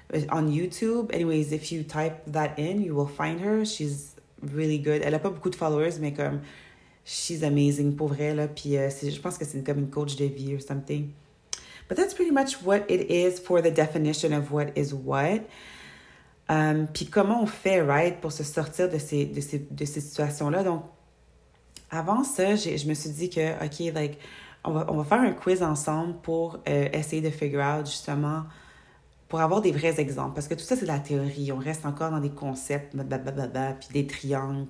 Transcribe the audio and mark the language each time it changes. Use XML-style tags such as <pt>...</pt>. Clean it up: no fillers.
<en>On YouTube, anyways, if you type that in, you will find her. She's really good.</en> <fr>Elle n'a pas beaucoup de followers, mais comme,</fr> <en>she's amazing,</en> <fr>pour vrai, là. Puis, je pense que c'est comme une coach de vie</fr> <en>or something. But that's pretty much what it is for the definition of what is what.</en> <fr>Puis comment on fait, right, pour se sortir de ces situations-là? Donc, avant ça, je me suis dit que, OK, like, on va faire un quiz ensemble pour essayer de figure out, justement, pour avoir des vrais exemples. Parce que tout ça, c'est de la théorie. On reste encore dans des concepts, puis des triangles.</fr>